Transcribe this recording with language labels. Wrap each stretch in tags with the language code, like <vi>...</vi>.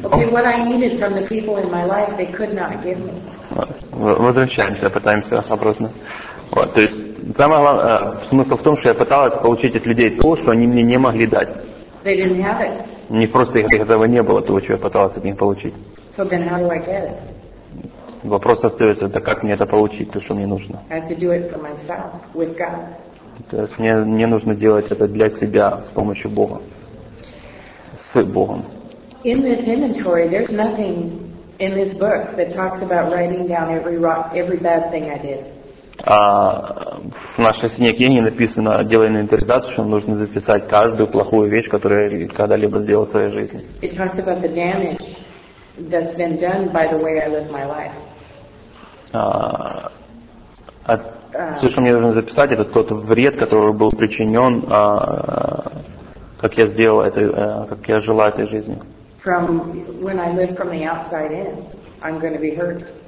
<en>Okay, what I needed from the people in my life, they could not give me.</en> <ru>Возвращаемся, пытаемся обратно. Вот, то есть самое главное, смысл в том, что я пыталась получить от людей то, что они мне не могли дать.</ru> <en>They didn't have it.</en> <ru>Не просто их этого не было, того, чего я пыталась от них получить.</ru> <en>So then how do I get it?</en> <ru>Вопрос остается, да как мне это получить, то, что мне нужно.</ru> <en>I have to do it for myself, with God.</en> <ru>То есть мне нужно делать это для себя, с помощью Бога. С Богом.</ru> <en>In this inventory, there's nothing in this book that talks about writing down every bad thing I did.</en> <ru>А в нашей синей книге написано, делая инвентаризацию, что нужно записать каждую плохую вещь, которую я когда-либо сделал в своей жизни.</ru> <en>It talks about the damage that's been done by the way I live my life.</en> <ru>Все, что мне нужно записать, это тот вред, который был причинен, как я сделал это, как я жила этой жизнью.</ru> <en>From when I live from the outside in, I'm going to be hurt.</en>